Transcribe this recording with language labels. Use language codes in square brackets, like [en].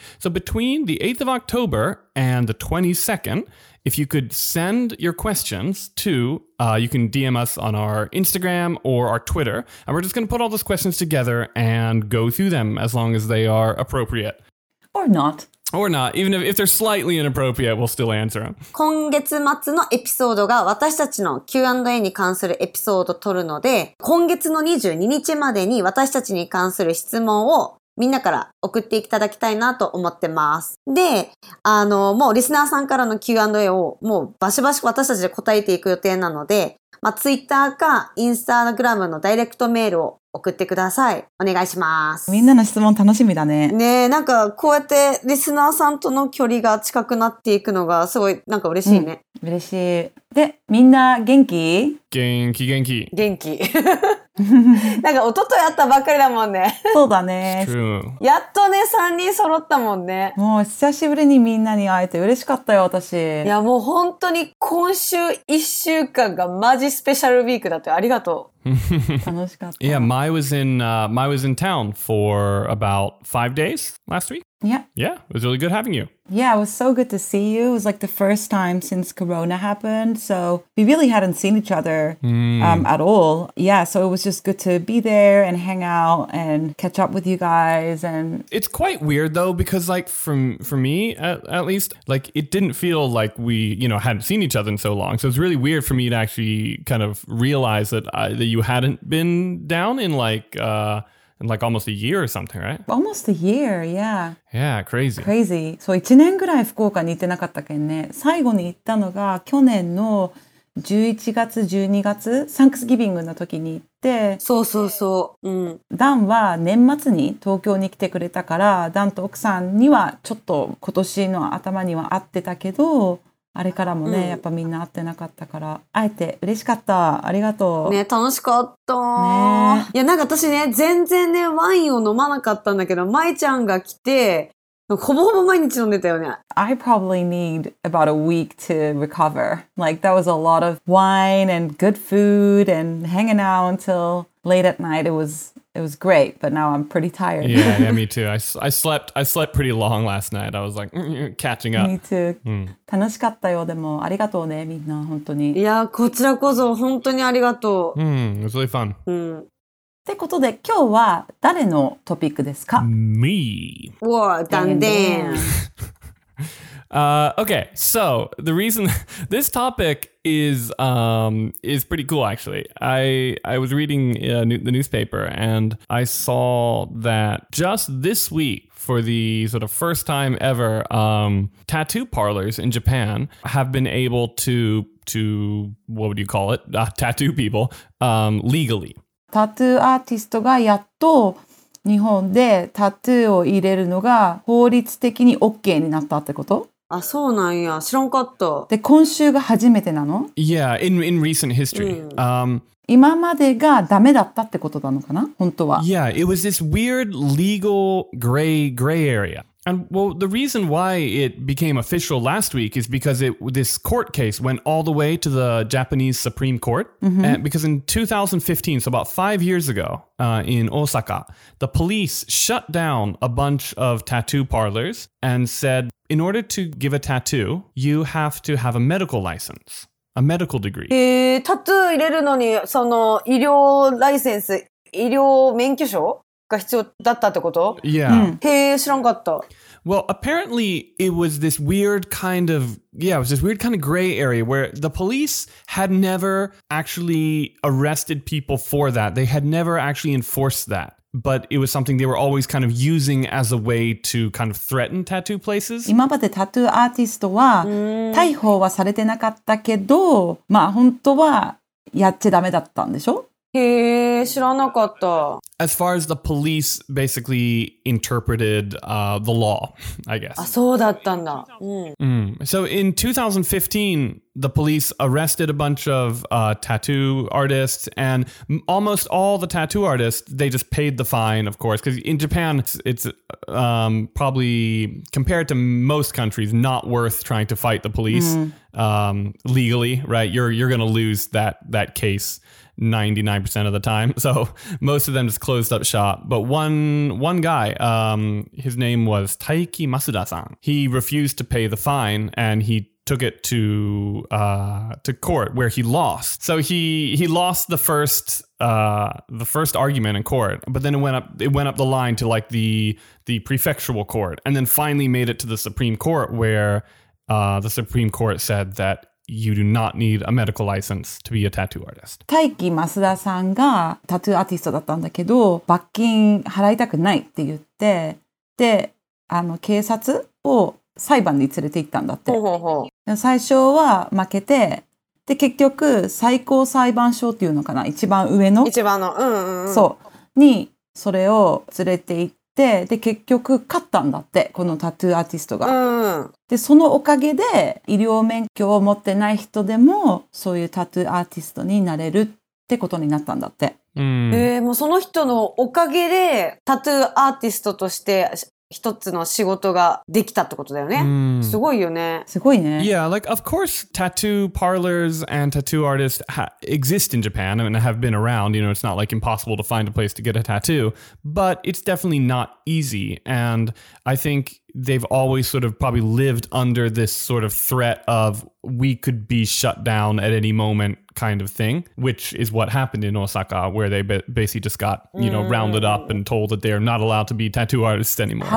[en] So between the 8th of October and the 22nd,If you could send your questions to, you can DM us on our Instagram or our Twitter. And we're just going to put all those questions together and go through them as long as they are appropriate. Or not. Or not. Even if they're slightly inappropriate, we'll still answer them. [ja] 今月末のエピソードが私たちの Q&A に関するエピソードを取るので、今月の22日までに私たちに関する質問をみんなから送っていただきたいなと思ってます。で、もうリスナーさんからの Q&A をもうバシバシ私たちで答えていく予定なので、まあ、Twitter か Instagram のダイレクトメールを送ってください。お願いします。みんなの質問楽しみだね。ねえ、なんかこうやってリスナーさんとの距離が近くなっていくのがすごいなんか嬉しいね。嬉しい。で、みんな元気？元気元気。元気。なんか一昨日会ったばっかりだもんね。そうだね。やっとね、3人揃ったもんね。もう久しぶりにみんなに会えて嬉しかったよ、私。いや、もう本当に今週1週間がマジスペシャルウィークだって、ありがとう。 [en] Yeah, Mai was in town for about 5 days last week. Yeah. Yeah, it was really good having you. Yeah, it was so good to see you. It was like the first time since Corona happened. So we really hadn't seen each other at all. Yeah, so it was just good to be there and hang out and catch up with you guys. And it's quite weird, though, because like for me, at least, like it didn't feel like we, you know, hadn't seen each other in so long. So it's really weird for me to actually kind of realize that you hadn't been down in like almost a year or something, right? Almost a year, yeah. Yeah, crazy. Crazy. [ja] So 1年ぐらい福岡に行ってなかったけんね。最後に行ったのが去年の11月、12月、サンクスギビングの時に行って。そうそうそう。うん。ダンは年末に東京に来てくれたから、ダンと奥さんにはちょっと今年の頭には会ってたけど、あれからもね、やっぱみんな会ってなかったから、会えて嬉しかった。ありがとう。ね、楽しかった。ね、いや、なんか私ね、全然ね、ワインを飲まなかったんだけど、舞ちゃんが来て、ほぼほぼ毎日飲んでたよね。 [en] I probably need about a week to recover. Like, that was a lot of wine and good food and hanging out until late at night. It was great, but now I'm pretty tired. Yeah, me too. I slept pretty long last night. I was like, catching up. Me too. [ja] 楽しかったよ、でも。ありがとうね、みんな、本当に。いや、こちらこそ、本当にありがとう。 [en] It was really fun. [ja] ってことで、今日は誰のトピックですか？ [en] Me. Whoa, Dan. Okay, so the reason this topic is pretty cool, actually. I was reading the newspaper and I saw that just this week, for the sort of first time ever, tattoo parlors in Japan have been able to what would you call it? Tattoo people legally. [ja] Tattoo artist がやっと日本でタトゥーを入れるのが法律的に OK になったってこと？あ、そうなんや。知らんかった。で、今週が初めてなの？ [en] Yeah, in recent history.、 [ja] うん、今までがダメだったってことなのかな？本当は。 [en] Yeah, it was this weird legal gray area. And well, the reason why it became official last week is because this court case went all the way to the Japanese Supreme Court.、 Mm-hmm. And because in 2015, so about 5 years ago,in Osaka, the police shut down a bunch of tattoo parlors and said, in order to give a tattoo, you have to have a medical license, a medical degree. [ja] タトゥー入れるのにその医療ライセンス、医療免許証が必要だったってこと? [en] Yeah. [ja] へえ、知らんかった。 [en] Well, apparently it was this weird kind of, yeah, it was this weird kind of gray area where the police had never actually arrested people for that. They had never actually enforced that. But it was something they were always kind of using as a way to kind of threaten tattoo places. [ja] 今までタトゥーアーティストは逮捕はされてなかったけど、まあ本当はやっちゃダメだったんでしょ? へえ、知らなかった。 [en] As far as the police basically interpreted the law, I guess. [ja] あ、そうだったんだ。うん。 Mm. [en] So in 2015, the police arrested a bunch of tattoo artists, and almost all the tattoo artists, they just paid the fine, of course, because in Japan, it's probably, compared to most countries, not worth trying to fight the police legally, right? You're going to lose that case. 99% of the time. So most of them just closed up shop. But one guy, his name was Taiki Masuda-san. He refused to pay the fine and he took it to court where he lost. So he lost the first argument in court, but then it went up the line to like the prefectural court and then finally made it to the Supreme Court where the Supreme Court said that You do not need a medical license to be a tattoo artist. [ja] 大木増田さんがタトゥーアーティストだったんだけど、罰金払いたくないって言って、で、あの警察を裁判に連れて行ったんだって。ほうほうほう。最初は負けて、で、結局最高裁判所っていうのかな、一番上の。一番の、うんうんうん。そう。にそれを連れて行って、で結局勝ったんだってこのタトゥーアーティストが、うん、でそのおかげで医療免許を持ってない人でもそういうタトゥーアーティストになれるってことになったんだって、うん、もうその人のおかげでタトゥーアーティストとして一つの仕事ができたってことだよね、うん、すごいよねすごいね [en] Yeah, like of course tattoo parlors and tattoo artists exist in Japan and have been around, you know, it's not like impossible to find a place to get a tattoo but it's definitely not easy and I think they've always sort of probably lived under this sort of threat of we could be shut down at any moment kind of thing, which is what happened in Osaka, where they basically just got, you know, rounded up and told that they're not allowed to be tattoo artists anymore.